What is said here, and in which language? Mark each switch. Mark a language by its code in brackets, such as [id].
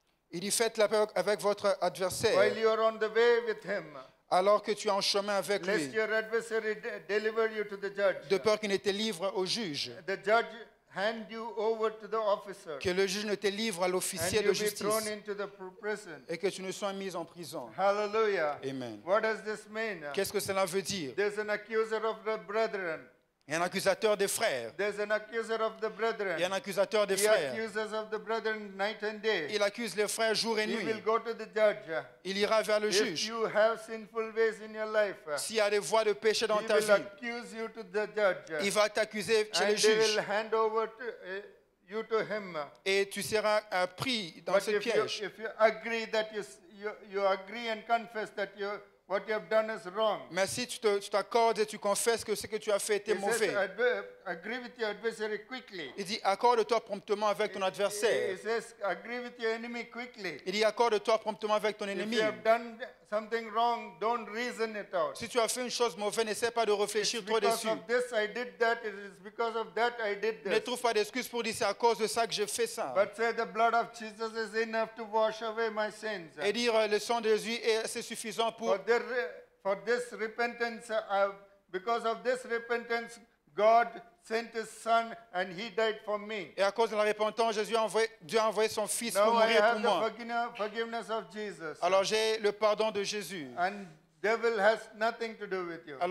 [fr] Il y faites la paix avec votre adversaire. [en] While you are on the way with him. [fr] Alors que tu es en chemin avec [en] lest [fr] lui. [en] Lest your adversary deliver you to the judge. [fr] De peur qu'il ne te livre au juge. [en] The judge hand you over to the officer, [fr] que le juge ne te livre à l'officier [en] and you [fr] de justice [en] be thrown into the prison. [fr] Et que tu ne sois mis en prison. Hallelujah. Amen. [en] What does this mean? [fr] Qu'est-ce que cela veut dire? [en] There's an accuser of the brethren. [fr] Il y a un accusateur des frères. [en] There's an accuser of the brethren. [fr] Il y a un accusateur des [en] he [fr] frères. [en] Accuses of the brethren night and day. [fr] Il accuse les frères jour et [en] he Will go to the judge. [fr] Il ira vers le [en] if [fr] juge. [en] You have sinful ways in your life, [fr] s'il y a des voies de péché dans [en] he [fr] ta [en] will [fr] vie, [en] accuse you to the judge. [fr] Il va t'accuser chez [en] and [fr] le juge. [en] Will hand over to, you to him. [fr] Et tu seras pris dans [en] but [fr] ce [en] if [fr] piège. [en] You, if you agree that you agree and confess that you what you have done is wrong. [fr] Mais si tu t'accordes et tu confesses que ce que tu as fait était mauvais. [en] Agree with your adversary quickly. [fr] Il dit accorde-toi promptement avec ton adversaire. [en] He says, agree with your enemy quickly. [fr] Il dit accorde-toi promptement avec ton ennemi. [en] If you have done something wrong, don't reason it out. [fr] Si tu as fait une chose mauvaise, n'essaie pas de réfléchir trop dessus. [en] It's because of this I did that. It is because of that I did this. [fr] Ne trouve pas d'excuses pour dire c'est à cause de ça que j'ai fait ça. [en] But say the blood of Jesus is enough to wash away my sins. [fr] Et dire le sang de Jésus est assez suffisant pour. [en] For this repentance, because of this repentance, God sent His Son, and He died for me. [fr] Et à cause de la repentance, Jésus a envoyé, Dieu a envoyé son Fils pour mourir pour moi. [en] Now I have the forgiveness of Jesus. [fr] Alors j'ai le pardon de Jésus. [en] And devil has nothing to do with you.